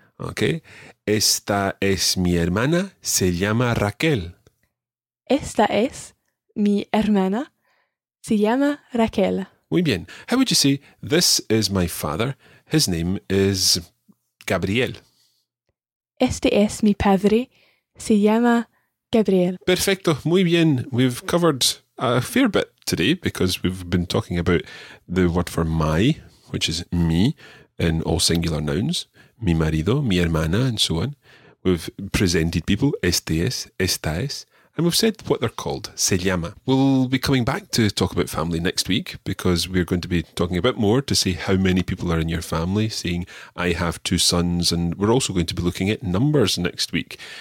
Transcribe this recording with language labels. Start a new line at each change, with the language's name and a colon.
Spanish: Okay. Esta es mi hermana. Se llama Raquel. Esta es mi hermana. Se llama Raquel. Muy bien.
English: How would you say, this is my father, his name is Gabriel?
Spanish: Este es mi padre, se llama Gabriel. Perfecto. Muy bien.
English: We've covered a fair bit today because we've been talking about the word for my, which is me, in all singular nouns.
Spanish: Mi marido, mi hermana,
English: and so on. We've presented people,
Spanish: este es, esta es.
English: And we've said what they're called,
Spanish: se llama.
English: We'll be coming back to talk about family next week because we're going to be talking a bit more to see how many people are in your family, seeing I have two sons, and we're also going to be looking at numbers next week.